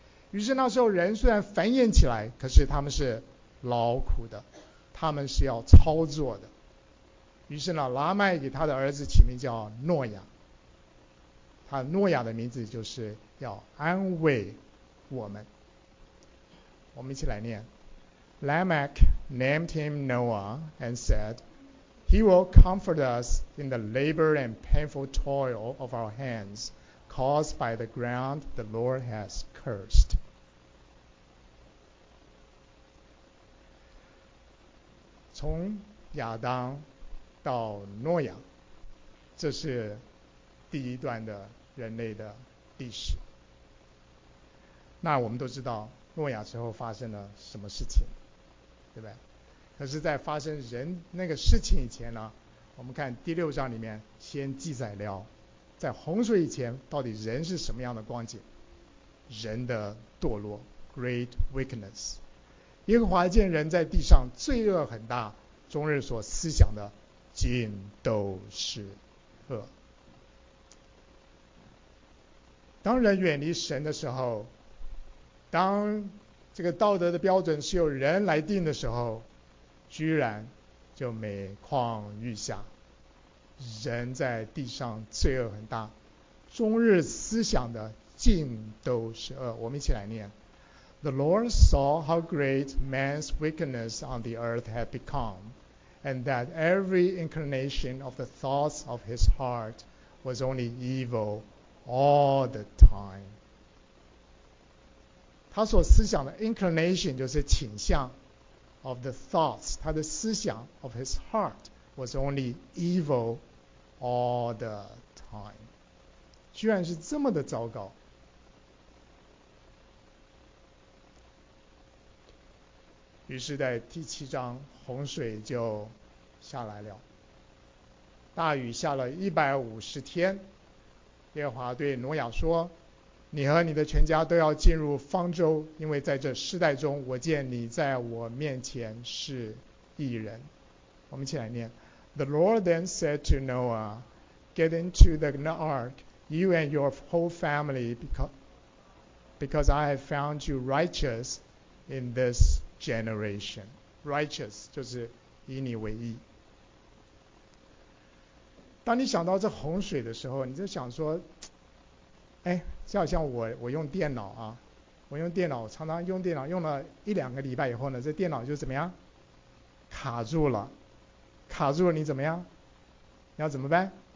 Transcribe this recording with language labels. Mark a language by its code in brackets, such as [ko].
[zh] 于是那时候人虽然繁衍起来，可是他们是劳苦的，他们是要操作的。于是呢，拉麦给他的儿子起名叫诺亚，他诺亚的名字就是要安慰我们。我们一起来念。 [en] Lamech named him Noah and said, He will comfort us in the labor and painful toil of our hands caused by the ground the Lord has cursed. [zh] 从亚当到诺亚，这是第一段的人类的历史。那我们都知道诺亚之后发生了什么事情，对不对？可是在发生人那个事情以前呢，我们看第六章里面先记载了在洪水以前到底人是什么样的光景，人的堕落 Great wickedness。耶和华见人在地上罪恶很大，终日所思想的尽都是恶。当人远离神的时候，当这个道德的标准是由人来定的时候，居然就每况愈下，人在地上罪恶很大，终日思想的尽都是恶。 [en] 我们一起来念 The Lord saw how great man's wickedness on the earth had become, and that every inclination of the thoughts of his heart was only evil all the time. 他所思想的 inclination 就是倾向， of the thoughts 他的思想， of his heart was only evil all the time. [zh] 居然是这么的糟糕。于是在第七章洪水就下来了，大雨下了150天。耶和华对挪亚说，你和你的全家都要进入方舟，因为在这世代中，我见你在我面前是义人。我们一起来念。 [en] The Lord then said to Noah, get into the ark, you and your whole family, because I have found you righteous in this generation. [zh] Righteous 就是以你为义。当你想到这洪水的时候，你就想说，哎，就好像我用电脑啊，我用电脑常常用电脑用了一两个礼拜以后呢，这电脑就怎么样卡住了，卡住了你怎么样，你要怎么办？